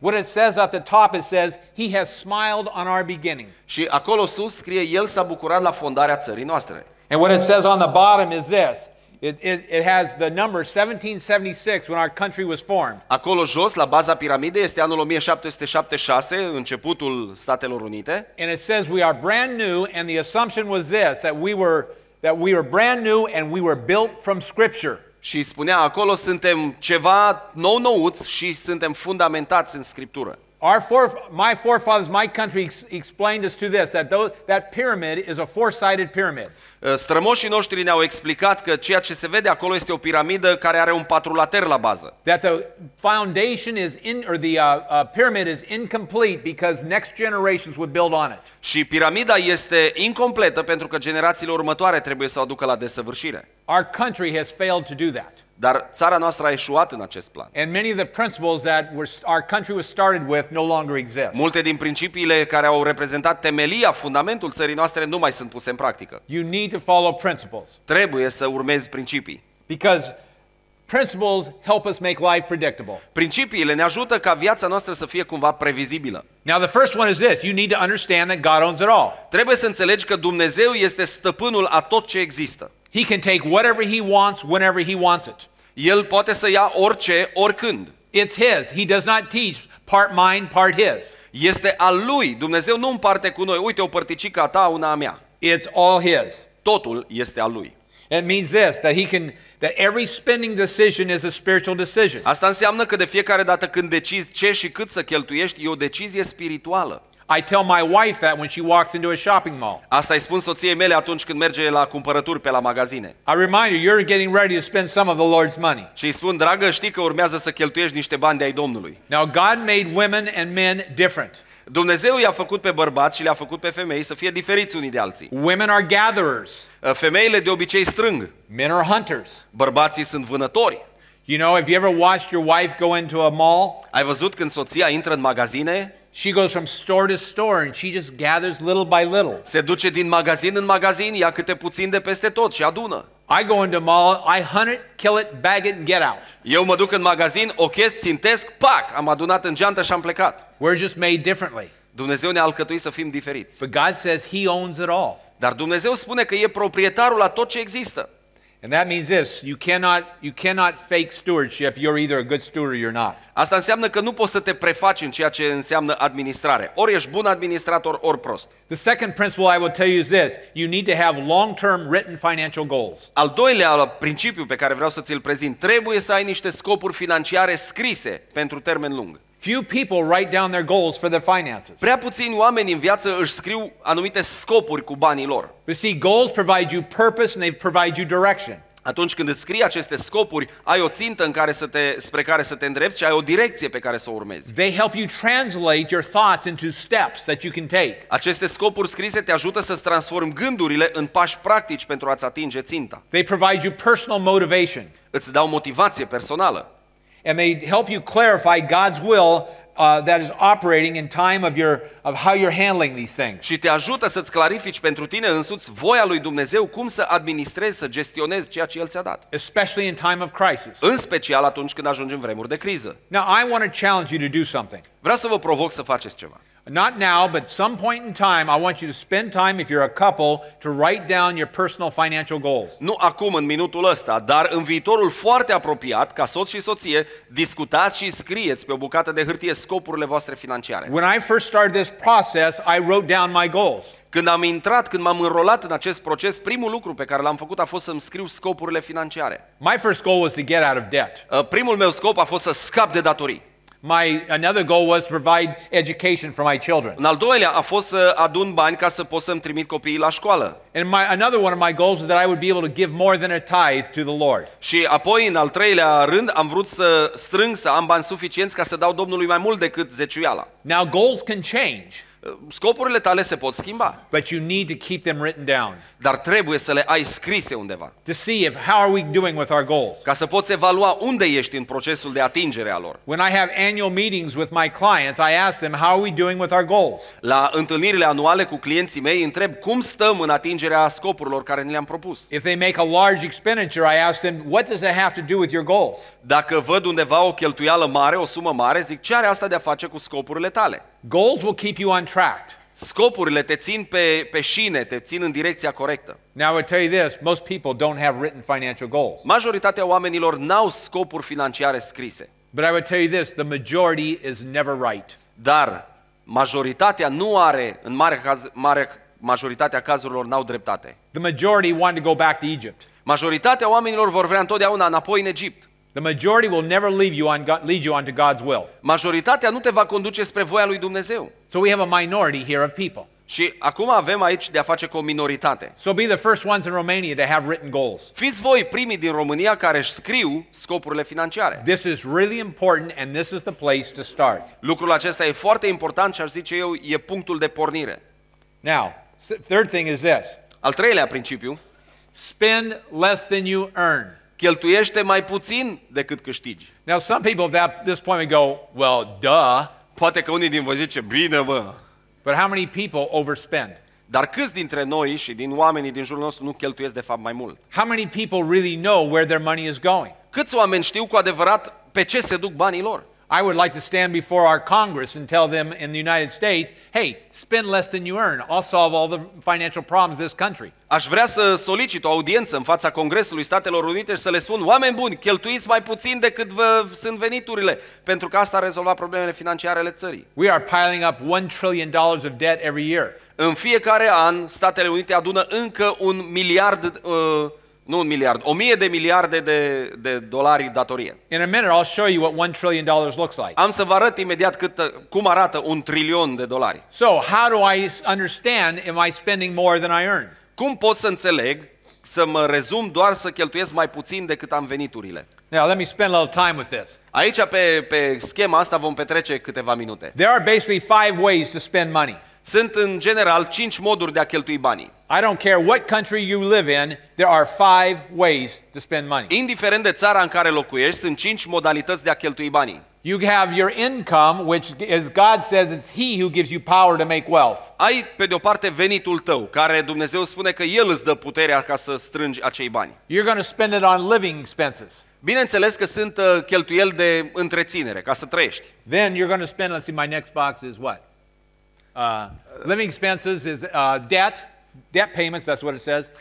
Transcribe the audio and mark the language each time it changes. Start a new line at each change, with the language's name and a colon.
English: What it says at the top, it says, he has smiled on our beginning.
Romanian: Și acolo sus scrie, el s-a bucurat la fondarea țării noastre.
English: And what it says on the bottom is this. It has the number 1776 when our country was formed.
Romanian: Acolo jos, la baza piramidei, este anul 1776, începutul Statelor Unite.
English: And it says we are brand new and the assumption was this, that we were brand new and we were built from Scripture.
Romanian: Și spunea acolo, suntem ceva nou-nouți și suntem fundamentați în Scriptură.
English: My forefathers, my country explained us to this, that pyramid is a four-sided pyramid.
Romanian: Strămoșii noștri ne-au explicat că ceea ce se vede acolo este o piramidă care are un patrulater la bază.
English: That the foundation is in, or the pyramid is incomplete because next generations would build on it.
Romanian: Și piramida este incompletă pentru că generațiile următoare trebuie să o aducă la desăvârșire.
English: Our country has failed to do that.
Romanian: Dar țara noastră a eșuat în acest plan.
English: And many of the principles that our country was started with no longer exist.
Romanian: Multe din principiile care au reprezentat temelia, fundamentul țării noastre nu mai sunt puse în practică.
English: You need to follow principles.
Romanian: Trebuie să urmezi principii.
English: Because principles help us make life predictable.
Romanian: Principiile ne ajută ca viața noastră să fie cumva previzibilă.
English: Now the first one is this, you need to understand that God owns it all.
Romanian: Trebuie să înțelegi că Dumnezeu este stăpânul a tot ce există.
English: He can take whatever he wants whenever he wants it.
Romanian: El poate să ia orice oricând.
English: It's his. He does not teach part mine, part his.
Romanian: Este al lui. Dumnezeu nu împarte cu noi. Uite o părticică a ta, una a mea.
English: It's all his.
Romanian: Totul este al lui.
English: It means this, that every spending decision is a spiritual decision.
Romanian: Asta înseamnă că de fiecare dată când decizi ce și cât să cheltuiești, e o decizie spirituală.
English: I tell my wife that when she walks into a shopping mall.
Romanian: Asta îi spun soției mele atunci când merge la cumpărături pe la magazine.
English: I remind her, you're getting ready to spend some of the Lord's money.
Romanian: Și îi spun, dragă, știi că urmează să cheltuiești niște bani de ai Domnului.
English: Now God made women and men different.
Romanian: Dumnezeu i-a făcut pe bărbați și le-a făcut pe femei să fie diferiți unii de alții.
English: Women are gatherers.
Romanian: Femeile de obicei strâng.
English: Men are hunters.
Romanian: Bărbații sunt vânători.
English: You know, have you ever watched your wife go into a mall?
Romanian: Ai văzut când soția intră în magazine?
English: She goes from store to store and she just gathers little by little.
Romanian: Se duce din magazin în magazin, ia câte puțin de peste tot și adună.
English: I go into mall, I hunt it, kill it, bag it and get out.
Romanian: Eu mă duc în magazin, ochez, țintesc, pac, am adunat în geantă și am plecat.
English: We're just made differently.
Romanian: Dumnezeu ne-a alcătuit să fim diferiți.
English: But God says he owns it all.
Romanian: Dar Dumnezeu spune că e proprietarul la tot ce există.
English: And that means this, you cannot fake stewardship. You're either a good steward or you're not.
Romanian: Asta înseamnă că nu poți să te prefaci în ceea ce înseamnă administrare. Ori ești bun administrator, ori prost.
English: The second principle I will tell you is this, you need to have long-term written financial goals.
Romanian: Al doilea principiu pe care vreau să ți-l prezint, trebuie să ai niște scopuri financiare scrise pentru termen lung.
English: Few people write down their goals for their finances.
Romanian: Prea puțini oameni în viață își scriu anumite scopuri cu banii lor.
English: You see, goals provide you purpose and they provide you direction.
Romanian: Atunci când îți scrii aceste scopuri, ai o țintă în care să te, spre care să te îndrepți și ai o direcție pe care să o urmezi.
English: They help you translate your thoughts into steps that you can take.
Romanian: Aceste scopuri scrise te ajută să-ți transformi gândurile în pași practici pentru a-ți atinge ținta.
English: They provide you personal motivation.
Romanian: Îți dau motivație personală.
English: And they help you clarify God's will that is operating in time of how you're handling these things.
Romanian: Și te ajută să-ți clarifici pentru tine însuți voia lui Dumnezeu cum să administrezi, să gestionezi ceea ce El ți-a dat.
English: Especially in time of crisis.
Romanian: În special atunci când ajungi în vremuri de criză.
English: Now I want to challenge you to do something.
Romanian: Vreau să vă provoc să faceți ceva.
English: Not now, but some point in time, I want you to spend time, if you're a couple, to write down your personal financial goals.
Romanian: Nu acum, în minutul ăsta, dar în viitorul foarte apropiat, ca soț și soție, discutați și scrieți pe o bucată de hârtie scopurile voastre financiare.
English: When I first started this process, I wrote down my goals.
Romanian: Când am intrat, când m-am înrolat în acest proces, primul lucru pe care l-am făcut a fost să-mi scriu scopurile financiare.
English: My first goal was to get out of debt.
Romanian: Primul meu scop a fost să scap de datorii.
English: Another goal was to provide education for my children.
Romanian: În al doilea a fost să adun bani ca să pot să-mi trimit copiii la școală.
English: And another one of my goals was that I would be able to give more than a tithe to the Lord.
Romanian: Și apoi în al treilea rând am vrut să strâng, să am bani suficienți ca să dau Domnului mai mult decât zeciuiala.
English: Now goals can change.
Romanian: Scopurile tale se pot schimba.
English: But you need to keep them written down.
Romanian: Dar trebuie să le ai scrise undeva.
English: To see if how are we doing with our goals.
Romanian: Ca să poți evalua unde ești în procesul de atingere a lor.
English: When I have annual meetings with my clients, I ask them how are we doing with our goals.
Romanian: La întâlnirile anuale cu clienții mei, întreb cum stăm în atingerea scopurilor care ni le-am propus.
English: If they make a large expenditure, I ask them what does that have to do with your goals.
Romanian: Dacă văd undeva o cheltuială mare, o sumă mare, zic ce are asta de a face cu scopurile tale?
English: Goals will keep you on track.
Romanian: Scopurile te țin pe șine, te țin în direcția corectă.
English: Now I tell you this, most people don't have written financial goals.
Romanian: Majoritatea oamenilor n-au scopuri financiare scrise.
English: But I would tell you this, the majority is never right.
Romanian: Dar majoritatea nu are, în mare caz, mare majoritatea cazurilor n-au dreptate.
English: The majority want to go back to Egypt.
Romanian: Majoritatea oamenilor vor vrea întotdeauna înapoi în Egipt.
English: The majority will never leave you on God, lead you onto God's will.
Romanian: Majoritatea nu te va conduce spre voia lui Dumnezeu.
English: So we have a minority here of people.
Romanian: Și acum avem aici de a face cu o minoritate.
English: So be the first ones in Romania to have written goals.
Romanian: Fiți voi primii din România care își scriu scopurile financiare.
English: This is really important and this is the place to start.
Romanian: Lucrul acesta e foarte important și aș zice eu e punctul de pornire.
English: Now, third thing is this.
Romanian: Al treilea principiu.
English: Spend less than you earn.
Romanian: Cheltuiește mai puțin decât câștigi.
English: Now some people at this point go, well, duh.
Romanian: Poate că unii din voi zice, bine, bă.
English: But how many people overspend?
Romanian: Dar câți dintre noi și din oamenii din jurul nostru nu cheltuiesc de fapt mai mult?
English: How many people really know where their money is going?
Romanian: Câți oameni știu cu adevărat pe ce se duc banii lor?
English: I would like to stand before our Congress and tell them in the United States, hey, spend less than you earn. I'll solve all the financial problems of this country.
Romanian: Aș vrea să solicit o audiență în fața Congresului Statelor Unite și să le spun, oameni buni, cheltuiți mai puțin decât vă sunt veniturile, pentru că asta ar rezolva problemele financiare ale țării.
English: We are piling up $1 trillion of debt every year.
Romanian: În fiecare an, Statele Unite adună încă un miliard Nu un miliard, 1000 de miliarde de dolari datorie.
English: In a minute I'll show you what $1 trillion looks like.
Romanian: Am să vă arăt imediat cum arată un trilion de dolari.
English: So, how do I understand am I spending more than I earn?
Romanian: Cum pot să înțeleg să mă rezum doar să cheltuiesc mai puțin decât am veniturile?
English: Now, let me spend a little time with this.
Romanian: Aici pe schema asta vom petrece câteva minute.
English: There are basically 5 ways to spend money.
Romanian: Sunt în general 5 moduri de a cheltui banii.
English: I don't care what country you live in, there are 5 ways to spend money.
Romanian: Indiferent de țara în care locuiești, sunt 5 modalități de a cheltui banii.
English: You have your income, which as God says it's he who gives you power to make wealth.
Romanian: Ai pe de o parte venitul tău, care Dumnezeu spune că el îți dă puterea ca să strângi acei bani.
English: You're going to spend it on living expenses.
Romanian: Bineînțeles că sunt cheltuieli de întreținere, ca să trăiești.
English: Then you're going to spend, let's see, my next box is what? Living expenses is debt payments, that's what it says.